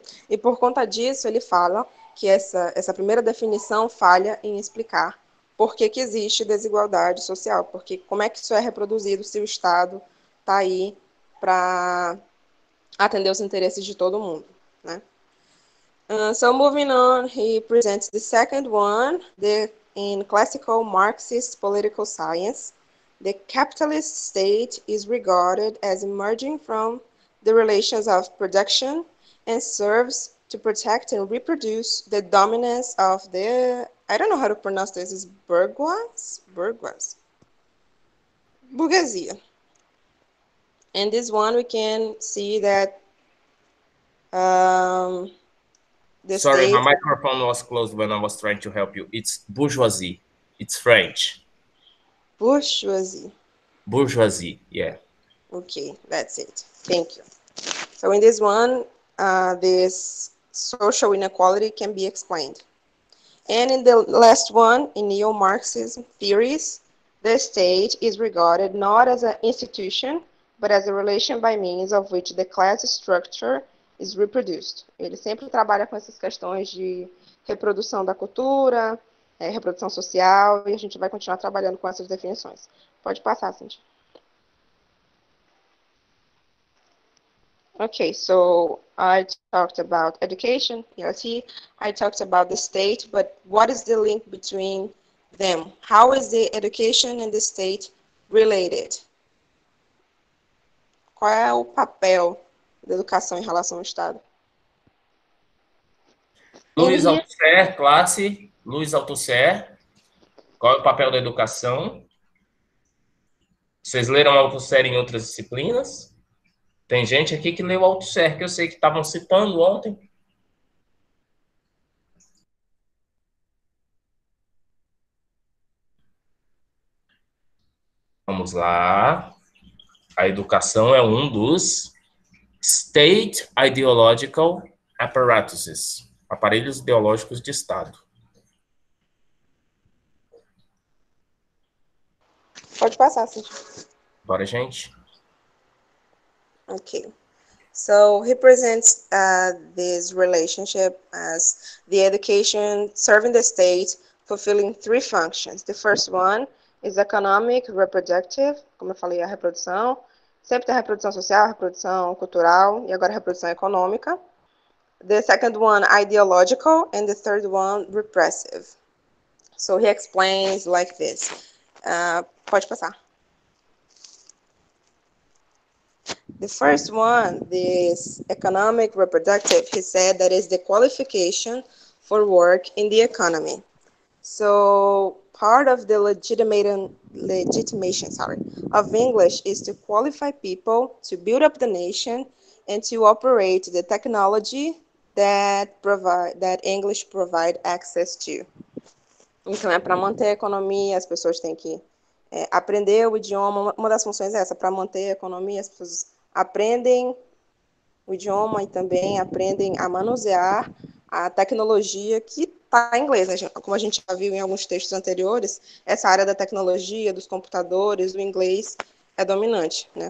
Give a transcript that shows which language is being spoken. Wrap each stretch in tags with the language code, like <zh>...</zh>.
<pt>E por conta disso, ele fala que essa primeira definição falha em explicar por que que existe desigualdade social, porque como é que isso é reproduzido se o Estado está aí para atender os interesses de todo mundo, né?</pt> <en>So moving on, he presents the second one, in classical Marxist political science, the capitalist state is regarded as emerging from the relations of production and serves to protect and reproduce the dominance of the, I don't know how to pronounce this, is bourgeois? Bourgeois. Burguesia. And this one we can see that My microphone was closed when I was trying to help you. It's bourgeoisie. It's French. Bourgeoisie. Bourgeoisie, yeah. Okay, that's it. Thank you. So in this one, this social inequality can be explained. And in the last one, in neo-Marxism theories, the state is regarded not as an institution, but as a relation by means of which the class structure is reproduced.</en> <pt>Ele sempre trabalha com essas questões de reprodução da cultura, reprodução social, e a gente vai continuar trabalhando com essas definições. Pode passar, Cindy.</pt> <en>Okay, so I talked about education, ELT, I talked about the state, but what is the link between them? How is the education and the state related?</en> <pt>Qual é o papel da educação em relação ao Estado? Luiz Althusser, classe, Luiz Althusser, qual é o papel da educação? Vocês leram Althusser em outras disciplinas? Tem gente aqui que leu Althusser, que eu sei que estavam citando ontem. Vamos lá. A educação é um dos</pt> <en>state ideological apparatuses,</en> <pt>aparelhos ideológicos de Estado. Pode passar, Cid. Bora, gente.</pt> <en>Okay, so he presents this relationship as the education serving the state, fulfilling three functions. The first one is economic, reproductive,</en> <pt>como eu falei, a reprodução. Sempre tem a reprodução social, a reprodução cultural e agora a reprodução econômica.</pt> <en>The second one, ideological, and the third one, repressive. So he explains like this.</en> <pt>Pode passar.</pt> <en>The first one, this economic reproductive, he said that is the qualification for work in the economy. So part of the legitimation of English is to qualify people to build up the nation and to operate the technology that English provide access to.</en> <pt>Então é para manter a economia, as pessoas têm que aprender o idioma. Uma das funções é essa, para manter a economia, as pessoas aprendem o idioma e também aprendem a manusear a tecnologia que está em inglês. Como a gente já viu em alguns textos anteriores, essa área da tecnologia, dos computadores, do inglês é dominante, né?</pt>